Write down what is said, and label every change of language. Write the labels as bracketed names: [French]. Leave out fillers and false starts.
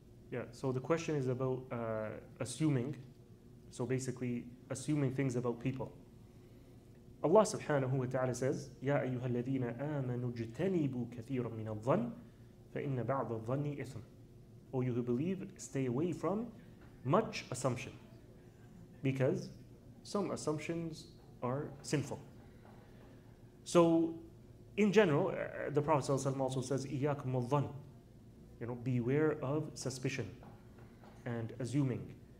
[English] Yeah, so the question is about assuming. So basically, assuming things about people. Allah subhanahu wa ta'ala says, [Arabic] يَا أَيُّهَا الَّذِينَ آمَنُوا اجْتَنِبُوا كَثِيرًا مِنَ الظَّنِّ فَإِنَّ بَعْضَ الظَّنِّ إِثْمٌ. [English] O you who believe, stay away from much assumption, because some assumptions are sinful. So, in general, the Prophet sallallahu alayhi wa sallam also says, [Arabic] إِيَّاكُمْ الظَّنِّ. [English] You know, beware of suspicion and assuming.